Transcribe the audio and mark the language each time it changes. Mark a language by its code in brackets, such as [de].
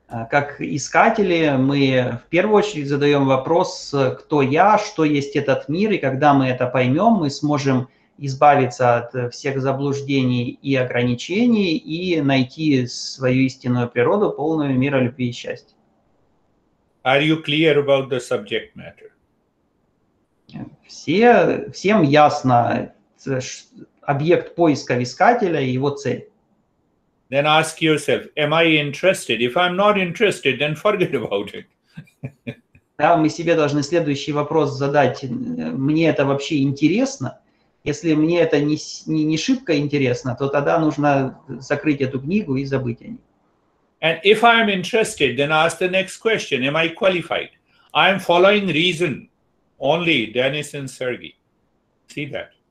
[ru] Как искатели, мы в первую очередь задаем вопрос, кто я, что есть этот мир, и когда мы это поймем, мы сможем избавиться от всех заблуждений и ограничений и найти свою истинную природу, полную мира, любви и счастья. [en] Are you clear about the subject matter? [ru] Всем ясно объект поиска искателя и его цель. [en] Then ask yourself, am I interested? If I'm not interested, then forget about it. [ru] Да, мы себе должны следующий вопрос задать. Мне это вообще интересно? Если мне это не шибко интересно, то тогда нужно закрыть эту книгу и забыть о ней. [en] And if I'm interested, then ask the next question. Am I qualified? I'm following reason. Only Denis and Sergey. See that.